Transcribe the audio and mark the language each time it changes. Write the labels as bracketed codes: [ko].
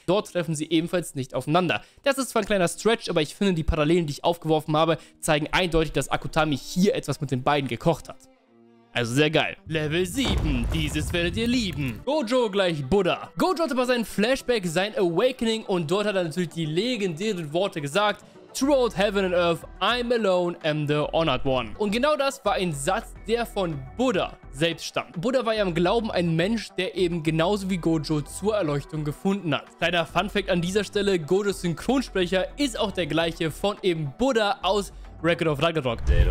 [de] Dort treffen sie ebenfalls nicht aufeinander. Das ist zwar ein kleiner Stretch, aber ich finde, die Parallelen, die ich aufgeworfen habe, zeigen eindeutig, dass Akutami hier etwas mit den beiden gekocht hat. Also sehr geil. Level 7. Dieses werdet ihr lieben. Gojo gleich Buddha. Gojo hatte bei seinem Flashback sein Awakening und dort hat er natürlich die legendären Worte gesagt. [en] Throughout heaven and earth, I'm alone am the honored one. [de] Und genau das war ein Satz, der von Buddha selbst stammt. Buddha war ja im Glauben ein Mensch, der eben genauso wie Gojo zur Erleuchtung gefunden hat. Kleiner Funfact an dieser Stelle, Gojos Synchronsprecher ist auch der gleiche von eben Buddha aus Record of Ragnarok.